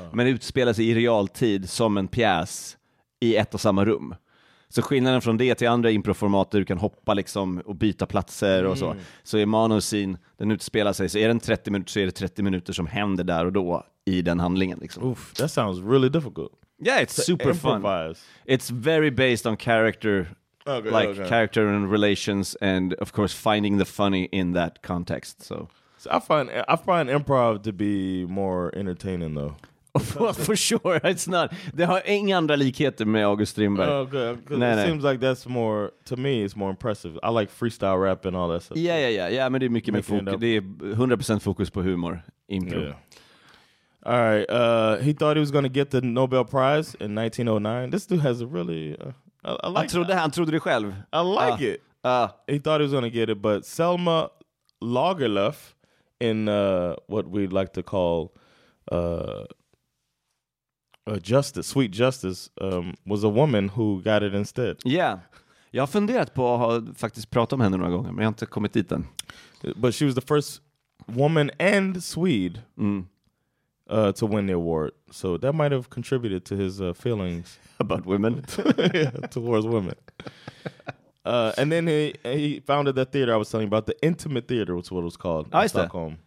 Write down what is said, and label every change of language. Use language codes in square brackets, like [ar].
[sv] Men det utspelar sig i realtid som en pjäs i ett och samma rum. Så skillnaden från det till andra improformat där du kan hoppa liksom och byta platser och så är manuscene, den utspelar sig, så är den 30 minuter, så är det 30 minuter som händer där och då i den handlingen liksom. [en] Oof, that sounds really difficult. Yeah, it's super fun. It's very based on character, character and relations, and of course finding the funny in that context. So I find improv to be more entertaining, though. For sure, it's not. [sv] Det har inga andra likheter med August Strindberg. [en] Seems like that's more, to me, it's more impressive. I like freestyle rap and all that stuff. [sv] Yeah, men det är mycket mer fokus. Det är 100% fokus på humor, impro. [en] Yeah. All right, he thought he was going to get the Nobel Prize in 1909. This dude has a really... [sv] Han trodde det själv. [en] I like it. He thought he was going to get it, but Selma Lagerlöf in what we'd like to call justice, sweet justice, was a woman who got it instead. [sv] Yeah, jag har funderat på att faktiskt prata om henne några gånger, men jag har inte kommit dit än. [en] But she was the first woman and Swede to win the award. So that might have contributed to his feelings about women. towards women. And then he founded that theater I was telling you about, the Intimate Theater, which is what it was called in Stockholm.